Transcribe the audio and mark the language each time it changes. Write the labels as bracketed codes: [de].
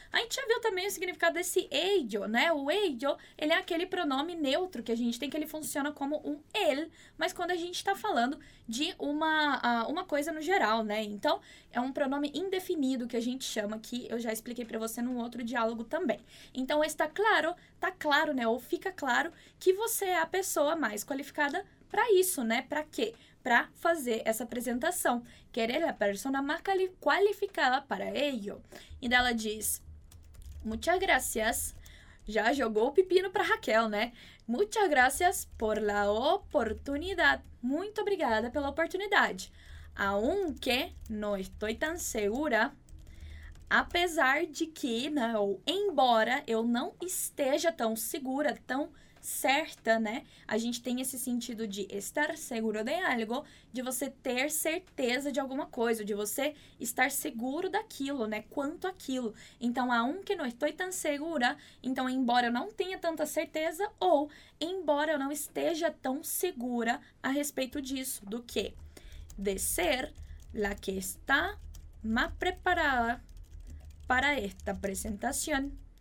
[pt] A gente já viu também o significado desse ello, né? O ello, ele é aquele pronome neutro que a gente tem, que ele funciona como um él, mas quando a gente está falando de uma coisa no geral, né? Então, é um pronome indefinido que a gente chama, que eu já expliquei para você num outro diálogo também. Então, está claro, tá claro, né? Ou fica claro que você é a pessoa mais qualificada para isso, né? Para quê? Para fazer essa apresentação. [es] Querer a persona más cualificada para ello. [pt] E ela diz, [es] muchas gracias. [pt] Já jogou o pepino para Raquel, né? [es] Muchas gracias por la oportunidad. [pt] Muito obrigada pela oportunidade. [es] Aunque no estoy tan segura, [pt] apesar de que, né, ou embora eu não esteja tão segura, tão certa, né? A gente tem esse sentido de estar seguro de algo, de você ter certeza de alguma coisa, de você estar seguro daquilo, né? Quanto aquilo. Então, [es] aunque no estoy tan segura, [pt] então, embora eu não tenha tanta certeza, ou embora eu não esteja tão segura a respeito disso, do que? [es] De ser la que está más preparada para esta presentación.